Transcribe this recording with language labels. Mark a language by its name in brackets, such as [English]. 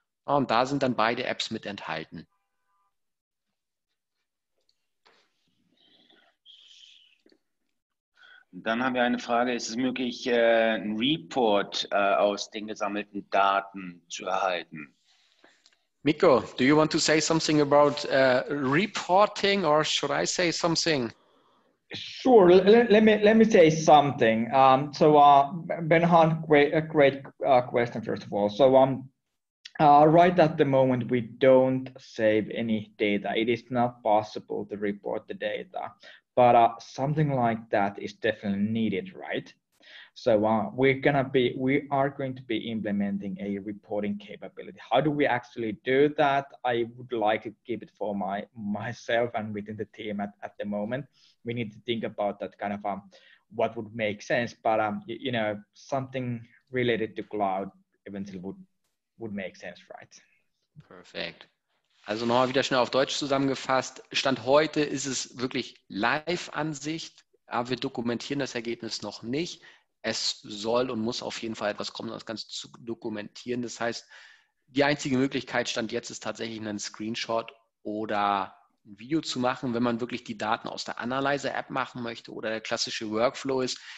[German] Und da sind dann beide Apps mit enthalten. Dann haben wir eine Frage, ist es möglich, einen Report aus den gesammelten Daten zu erhalten? [English] Mikko, do you want to say something about reporting or should I say something? Sure, let me say something. Benhan, great question, first of all. Right at the moment, we don't save any data. It is not possible to report the data. But something like that is definitely needed, right? So we are going to be implementing a reporting capability. How do we actually do that? I would like to keep it for myself and within the team at the moment. We need to think about that kind of what would make sense. But something related to cloud eventually would make sense, right? Perfect. [German] Also nochmal wieder schnell auf Deutsch zusammengefasst. Stand heute ist es wirklich Live-Ansicht, aber wir dokumentieren das Ergebnis noch nicht. Es soll und muss auf jeden Fall etwas kommen, das Ganze zu dokumentieren. Das heißt, die einzige Möglichkeit Stand jetzt ist tatsächlich einen Screenshot oder ein Video zu machen, wenn man wirklich die Daten aus der Analyzer-App machen möchte oder der klassische Workflow ist.